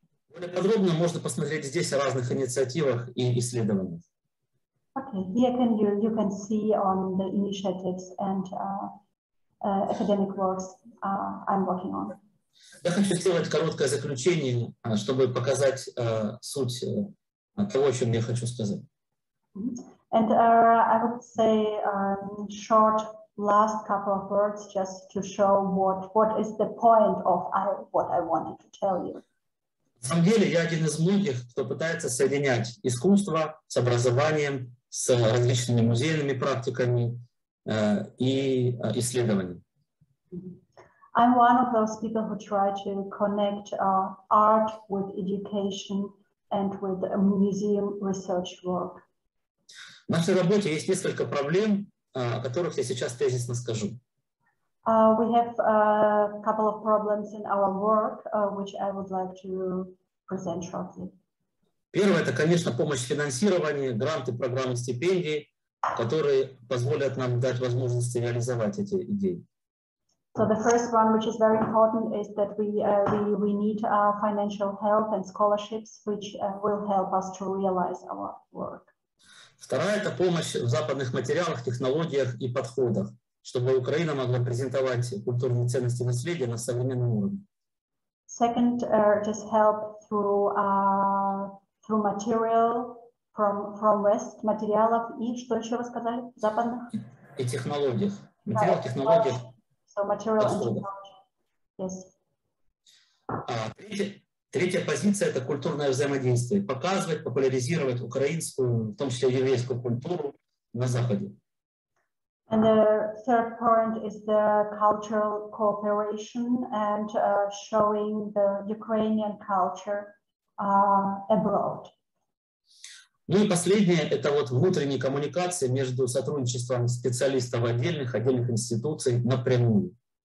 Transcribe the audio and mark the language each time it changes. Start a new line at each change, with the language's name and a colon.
Russian: Более подробно можно посмотреть здесь о разных инициативах и исследованиях.
English: Okay, here you can see on the initiatives and academic works I'm working on.
Russian: Я хочу сделать короткое заключение, чтобы показать суть того, о чем я хочу сказать.
English: And I would say short last couple of words just to show what is the point of what I wanted to tell you.
Russian: На самом деле, я один из многих, кто пытается соединять искусство с образованием, с различными музейными практиками и исследованиями.
English: I'm one of those people who try to connect art with education and with museum research work.
Russian: В нашей работе есть несколько проблем, о которых я сейчас тезисно скажу.
English: We have a couple of problems in our work, which I would like to present shortly.
Russian: Первое — это, конечно, помощь финансирования, гранты, программы, стипендии, которые позволят нам дать возможность реализовать эти идеи.
English: So the first one, which is very important, is that we need our financial help and scholarships, which will help us to realize our work.
Russian: Вторая — это помощь в западных материалах, технологиях и подходах, чтобы Украина могла презентовать культурные ценности и наследие на современном уровне.
English: Second, just help through material from West,
Russian: материалов и что еще вы сказали, западных? И технологиях. Материал, технологии.
English: So material and technology. Yes.
Russian: Третья позиция — это культурное взаимодействие. Показывать, популяризировать украинскую, в том числе еврейскую культуру на Западе.
English: And the third point is the cultural cooperation and showing the Ukrainian culture abroad.
Russian: Ну и последнее — это вот внутренние коммуникации между сотрудничеством специалистов отдельных институций напрямую.